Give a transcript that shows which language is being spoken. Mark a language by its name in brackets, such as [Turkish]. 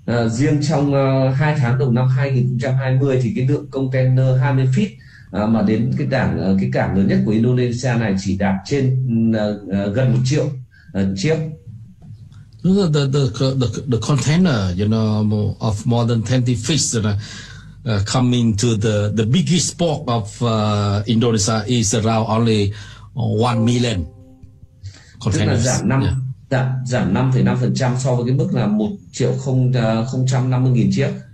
[Vietnamese] Riêng trong 2 tháng đầu năm 2020 thì cái lượng container 20 feet mà đến cái cảng lớn nhất của Indonesia này chỉ đạt trên gần 1 triệu chiếc. [English] The container, you know, of more than 20 feet coming to the biggest port of Indonesia is around only 1 million [Vietnamese] container. Tức là giảm 5 Dạ, giảm 5,5% so với cái mức là 1.050.000 chiếc.